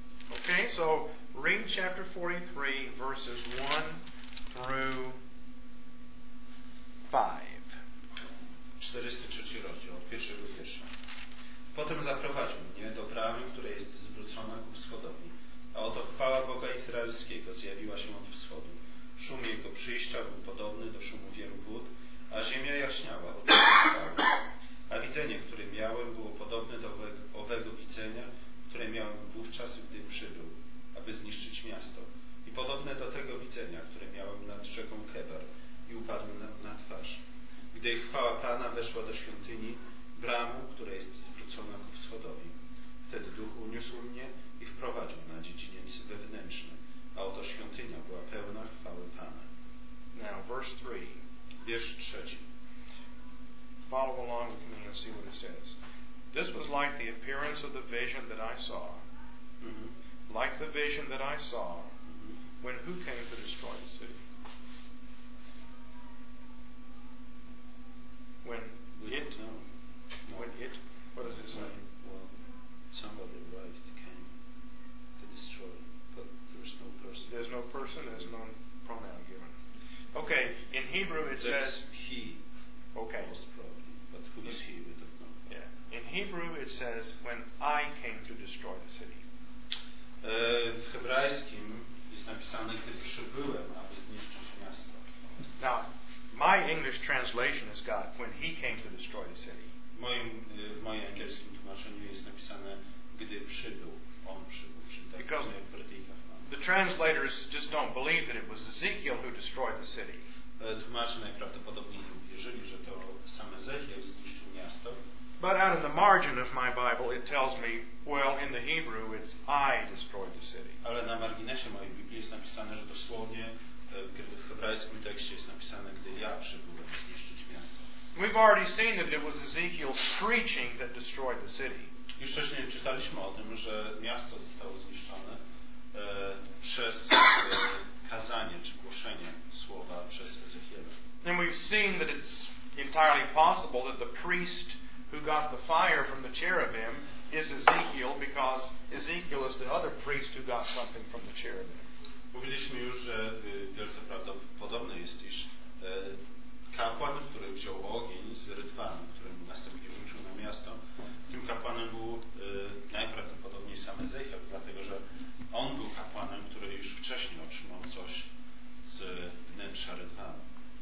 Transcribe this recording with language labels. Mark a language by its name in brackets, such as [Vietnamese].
[English] Okay, so read chapter 43, verses 1 through 5. [Polish] 43 rozdział, od pierwszego wiersza. Potem zaprowadził mnie do bramy, która jest zwrócona ku wschodowi. A oto chwała Boga Izraelskiego zjawiła się od wschodu. Szum jego przyjścia był podobny do szumu wielu wód, a ziemia jaśniała od chwały. A widzenie, które miałem, było podobne do owego widzenia, które miałem wówczas, gdy przybył, aby zniszczyć miasto. I podobne do tego widzenia, które miałem nad rzeką Kebar i upadłem na twarz. Gdy chwała Pana weszła do świątyni, bramu, która jest zwrócona ku wschodowi. Wtedy Duch uniósł mnie i wprowadził na dziedziniec wewnętrzny. A oto świątynia była pełna chwały Pana. [English] Now, verse 3. [Polish] Wiersz trzeci. [English] Follow along with me and see what it says. This was like the appearance of the vision that I saw. Like the vision that I saw when who came to destroy the city? What does it say? Well, somebody arrived, came to destroy, but there's no person. There's no person, there's no pronoun given. Okay, in Hebrew it says he. Okay. Most probably. But who is he? We don't know. Yeah. In Hebrew it says when I came to destroy the city. [Polish] W hebrajskim jest napisane, gdy przybyłem, aby zniszczyć miasto. [English] Now, my English translation has got when he came to destroy the city. [Polish] W moim angielskim tłumaczeniu jest napisane, gdy przybył, on przybył. [English] The translators just don't believe that it was Ezekiel who destroyed the city. [Polish] Tłumacze najprawdopodobniej nie uwierzyli, że to sam Ezekiel zniszczył miasto. [English] But out in the margin of my Bible, it tells me, well, in the Hebrew, it's I destroyed the city. [Polish] Ale na marginesie mojej Biblii jest napisane, że dosłownie w hebrajskim tekście jest napisane, gdy ja przybyłem zniszczyć miasto. [English] We've already seen that it was Ezekiel's preaching that destroyed the city. [Polish] Już wcześniej czytaliśmy o tym, że miasto zostało zniszczone przez kazanie czy głoszenie słowa przez Ezechiela. [English] And we've seen that it's entirely possible that the priest who got the fire from the cherubim is Ezekiel, because Ezekiel is the other priest who got something from the cherubim. [Polish] Mówiliśmy już, że wielce prawdopodobne jest, iż kapłan, który wziął ogień z rytwanu, który następnie wrócił na miasto, tym kapłanem był najprawdopodobniej sam Ezechiel, dlatego że on był kapłanem, który już wcześniej otrzymał coś z wnętrza rytwanu.